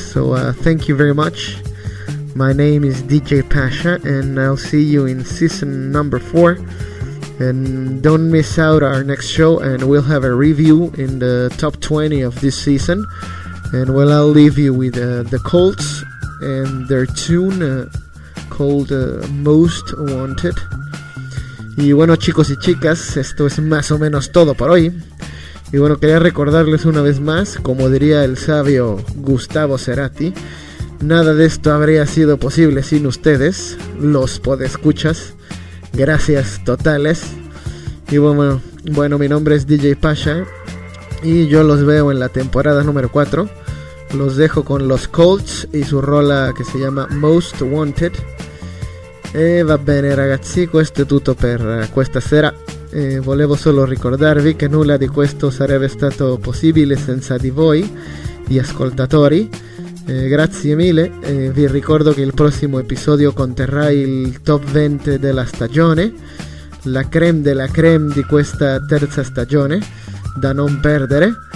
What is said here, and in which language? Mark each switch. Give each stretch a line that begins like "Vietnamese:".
English: So thank you very much. My name is DJ Pasha, and I'll see you in season number 4. And don't miss out our next show, and we'll have a review in the top 20 of this season. And well, I'll leave you with the Colts and their tune... Called Most Wanted.
Spanish: Y bueno, chicos y chicas, esto es más o menos todo por hoy. Y bueno, quería recordarles una vez más, como diría el sabio Gustavo Cerati, nada de esto habría sido posible sin ustedes, los podescuchas. Gracias totales. Y bueno, mi nombre es DJ Pasha y yo los veo en la temporada número 4. Los dejo con los Colts y su rola que se llama Most Wanted.
Italian: Va bene ragazzi, questo è tutto per questa sera. Volevo solo ricordarvi che nulla di questo sarebbe stato possibile senza di voi, gli ascoltatori. Grazie mille, vi ricordo che il prossimo episodio conterrà il top 20 della stagione, la creme della creme di questa terza stagione, da non perdere.